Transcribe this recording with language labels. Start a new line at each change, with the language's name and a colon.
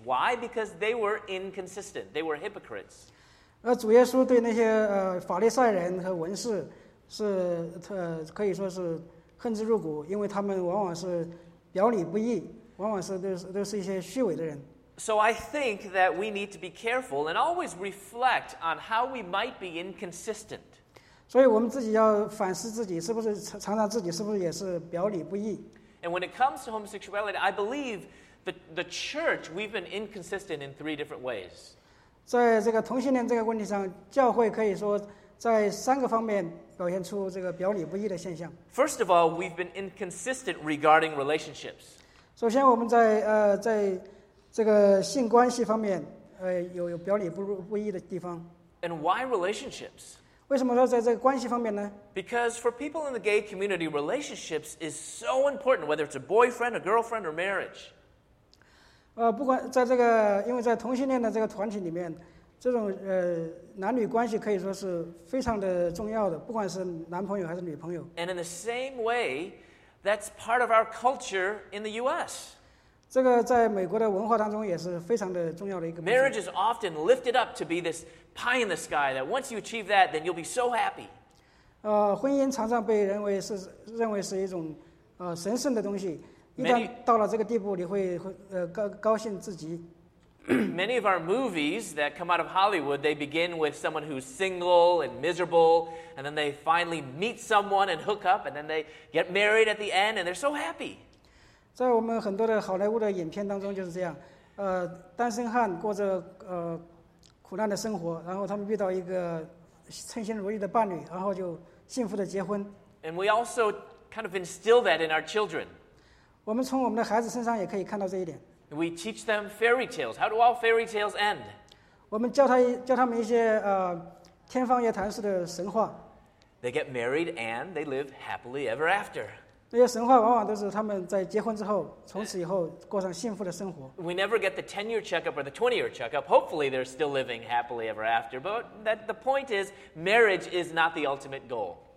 English: Why? Because they were inconsistent. They were hypocrites.
Chinese: 主耶稣对那些法利赛人和文士是可以说是。恨之入骨，因为他们往往是表里不一，往往是都是一些虚伪的人。
English: So I think that we need to be careful and always reflect on how we might be inconsistent.
Chinese: 所以我们自己要反思自己，是不是常常自己是不是也是表里不一。
English: And when it comes to homosexuality, I believe that the church we've been inconsistent in three different ways.
Chinese: 在这个同性恋这个问题上，教会可以说在三个方面。表现出这个表里不一的现象。
English: First of all, we've been inconsistent regarding relationships.
Chinese: 首先，我们在这个性关系方面，有表里不一的地方。
English: And why relationships?
Chinese: 为什么说在这个关系方面呢
English: ？Because for people in the gay community, relationships is so important, whether it's a boyfriend, a girlfriend, or marriage.
Chinese: 不管在这个，因为在同性恋的这个团体里面。这种男女关系可以说是非常的重要的，不管是男朋友还是女朋友。
English: And in the same way, that's part of our culture in the U.S.
Chinese: 这个在美国的文化当中也是非常的重要的一个。
English: Marriage is often lifted up to be this pie in the sky that once you achieve that, then you'll be so happy.
Chinese: 婚姻常常被认为是一种神圣的东西，一旦到了这个地步，你会高兴至极。
English: Many of our movies that come out of Hollywood, they begin with someone who's single and miserable, and then they finally meet someone and hook up, and then they get married at the end, and they're so happy.
Chinese: 在我们很多的好莱坞的影片当中就是这样，单身汉过着苦难的生活，然后他们遇到一个称心如意的伴侣，然后就幸福的结婚。
English: And we also kind of instill that in our children.
Chinese: 我们从我们的孩子身上也可以看到这一点。
English: We teach them fairy tales. How do all fairy tales end?
Chinese: 我们教他们一些天方夜谭式的神话。
English: They get married and they live happily ever after.
Chinese: 那些神话往往都是他们在结婚之后，从此以后过上幸福的生活。
English: We never get the 10-year checkup or the 20-year checkup. Hopefully, they're still living happily ever after. But the point is, marriage is not the ultimate goal.